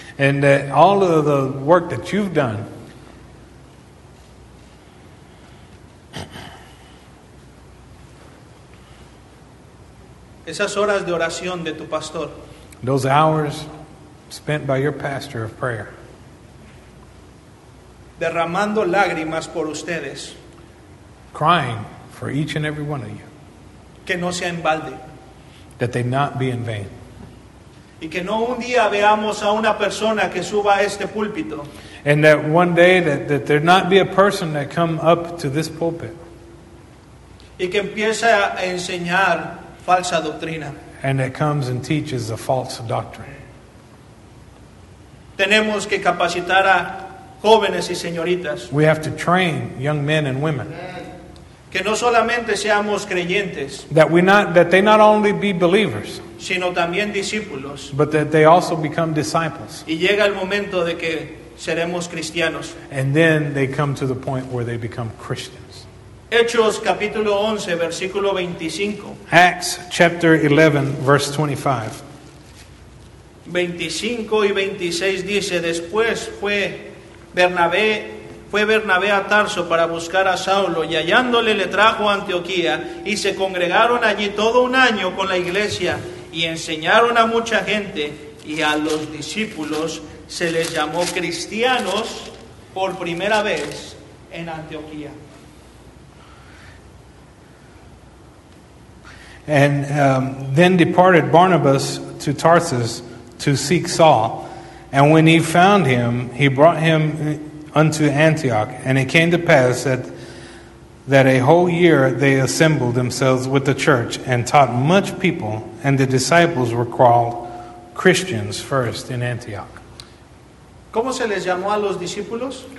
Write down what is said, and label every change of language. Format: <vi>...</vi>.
<en>And that all of the work that you've done.</en> <es>Esas horas de oración de tu pastor.</es> <en>Those hours spent by your pastor of prayer.</en> <es>Derramando lágrimas por ustedes.</es> <en>Crying for each and every one of you.</en> <es>Que no sea en balde.</es> <en>That they not be in vain.</en> <es>Y que no un día veamos a una persona que suba a este púlpito.</es> <en>And that one day that there not be a person that come up to this pulpit.</en> <es>Y que empiece a enseñar falsa doctrina.</es> <en>And it comes and teaches a false doctrine.</en> <es>Tenemos que capacitar a jóvenes y señoritas.</es> <en>We have to train young men and women.</en> <es>Que no solamente seamos creyentes.</es> <en>That they not only be believers.</en> <es>Sino también discípulos.</es> <en>But that they also become disciples.</en> <es>Y llega el momento de que seremos cristianos.</es> <en>And then they come to the point where they become Christians.</en> <es>Hechos capítulo 11, versículo 25.</es> <en>Acts chapter 11, verse 25.</en> <es>25 y 26 dice, después fue Bernabé a Tarso para buscar a Saulo y hallándole le trajo a Antioquía y se congregaron allí todo un año con la iglesia y enseñaron a mucha gente y a los discípulos se les llamó cristianos por primera vez en Antioquía.</es> <en>And then departed Barnabas to Tarsus to seek Saul, and when he found him, he brought him unto Antioch. And it came to pass that a whole year they assembled themselves with the church and taught much people, and the disciples were called Christians first in Antioch.</en> <es>¿Cómo se les llamó a los discípulos?</es>